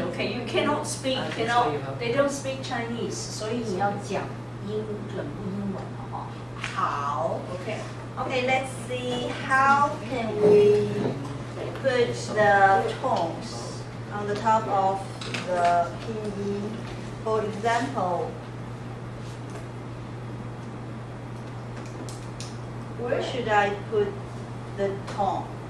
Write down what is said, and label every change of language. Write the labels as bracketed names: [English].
[English] OK, you cannot speak, you know, they don't speak Chinese. [Chinese] 所以你要讲英文不英文的哈。好 ，OK。 [English] OK, let's see how can we put the tones on the top of the pinyin. For example, where should I put the tone?